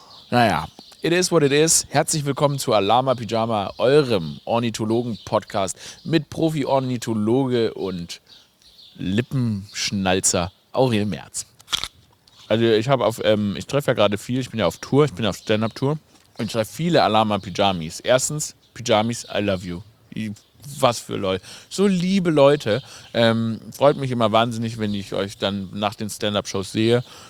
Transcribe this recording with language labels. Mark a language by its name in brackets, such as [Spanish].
[German] Naja, [English] it is what it is. [German] Herzlich willkommen zu Alama Pyjama, eurem Ornithologen-Podcast mit Profi-Ornithologe und Lippenschnalzer Aurel Merz. Also ich treffe ja gerade viel. Ich bin ja auf Tour, ich bin auf Stand-Up-Tour. Und ich treffe viele Alama Pyjamis. Erstens, [English] Pyjamis, I love you. [German] Was für Leute. So liebe Leute. Freut mich immer wahnsinnig, wenn ich euch dann nach den Stand-Up-Shows sehe.